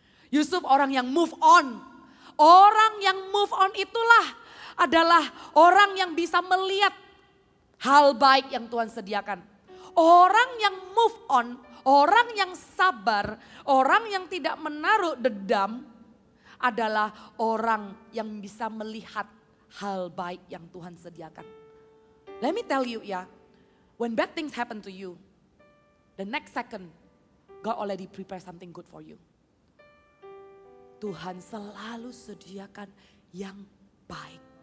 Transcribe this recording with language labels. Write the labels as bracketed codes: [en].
[id] Yusuf orang yang move on. Orang yang move on itulah adalah orang yang bisa melihat hal baik yang Tuhan sediakan. Orang yang move on, orang yang sabar, orang yang tidak menaruh dendam adalah orang yang bisa melihat hal baik yang Tuhan sediakan. [en] Let me tell you [id] ya, [en] when bad things happen to you, the next second, God already prepare something good for you. [id] Tuhan selalu sediakan yang baik.